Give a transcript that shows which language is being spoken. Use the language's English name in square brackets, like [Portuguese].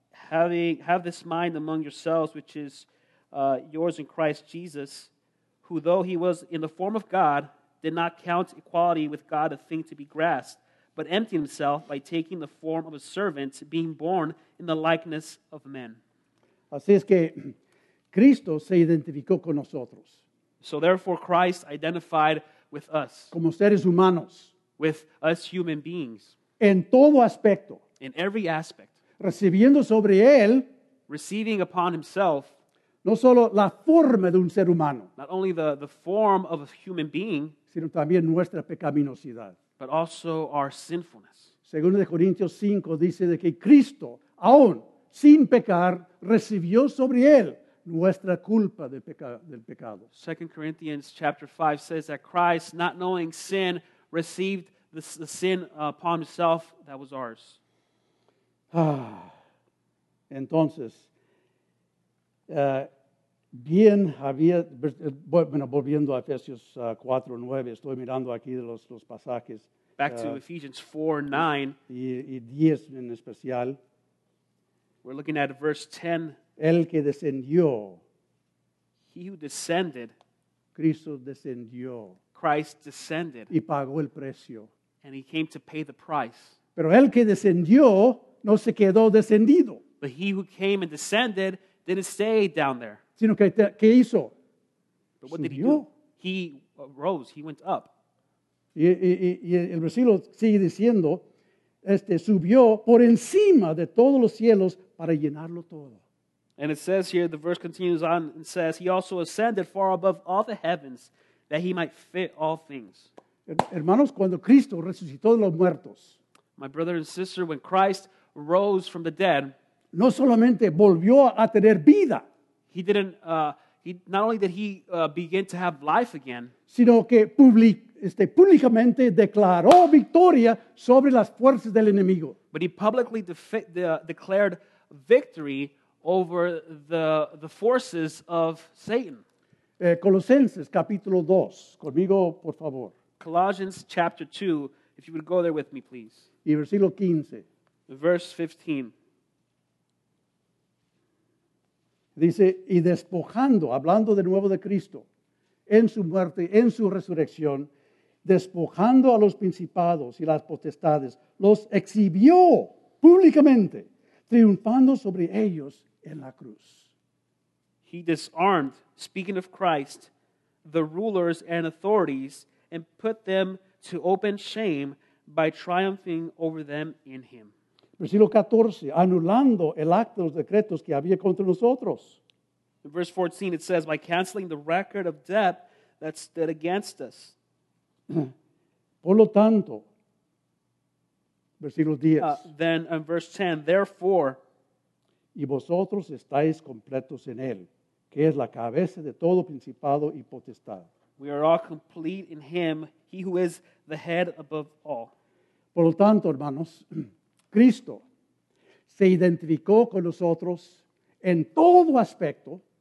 [English] Have this mind among yourselves, which is yours in Christ Jesus, who though he was in the form of God, did not count equality with God a thing to be grasped, but emptied himself by taking the form of a servant, being born in the likeness of men. [Spanish] Así es que Cristo se identificó con nosotros. [English] So therefore Christ identified with us. [Spanish] Como seres humanos. [English] With us human beings. [Spanish] En todo aspecto. [English] In every aspect. [Spanish] Recibiendo sobre él. [English] Receiving upon himself. [Spanish] No solo la forma de un ser humano. [English] Not only the form of a human being. [Spanish] Sino también nuestra pecaminosidad. [English] But also our sinfulness. [Spanish] Segundo de Corintios 5 dice de que Cristo, aún sin pecar, recibió sobre él nuestra culpa del pecado. [English] 2 Corinthians chapter 5 says that Christ, not knowing sin, received the sin upon himself that was ours. [Spanish] Entonces, bien había, bueno, volviendo a Efesios 4:9, estoy mirando aquí de los pasajes. [English] Back to Ephesians 4:9. [Spanish] Y 10 en especial. [English] We're looking at verse 10. [Spanish] El que descendió. [English] He who descended. [Spanish] Cristo descendió. [English] Christ descended. [Spanish] Y pagó el precio. [English] And he came to pay the price. [Spanish] Pero el que descendió no se quedó descendido. [English] But he who came and descended didn't stay down there. [Spanish] Sino que, ¿qué hizo? [English] But what did he do? He rose. He went up. [Spanish] Y el versículo sigue diciendo, subió por encima de todos los cielos para llenarlo todo. [English] And it says here, the verse continues on and says, he also ascended far above all the heavens that he might fit all things. [Spanish] Hermanos, cuando Cristo resucitó de los muertos. [English] My brother and sister, when Christ rose from the dead. [Spanish] No solamente volvió a tener vida. [English] He didn't, not only did he begin to have life again. [Spanish] Sino que públicamente declaró victoria sobre las fuerzas del enemigo. [English] But he publicly declared victory over the forces of Satan. [Spanish] Colosenses, capítulo 2. Conmigo, por favor. [English] Colossians, chapter 2. If you would go there with me, please. [Spanish] Y versículo 15. [English] Verse 15. [Spanish] Dice, y despojando, hablando de nuevo de Cristo, en su muerte, en su resurrección, despojando a los principados y las potestades, los exhibió públicamente, triunfando sobre ellos en la cruz. [English] He disarmed, speaking of Christ, the rulers and authorities, and put them to open shame by triumphing over them in him. [Spanish] Versículo 14, anulando el acto de los decretos que había contra nosotros. [English] In verse 14, it says, by canceling the record of debt that stood against us. [Spanish] Por lo tanto, versículo 10. [English] Then in verse 10, therefore. [Spanish] Y vosotros estáis completos en él, que es la cabeza de todo principado y potestad. [English] We are all complete in him, he who is the head above all. [Spanish] Por lo tanto, hermanos, Cristo se identificó con nosotros en todo aspecto.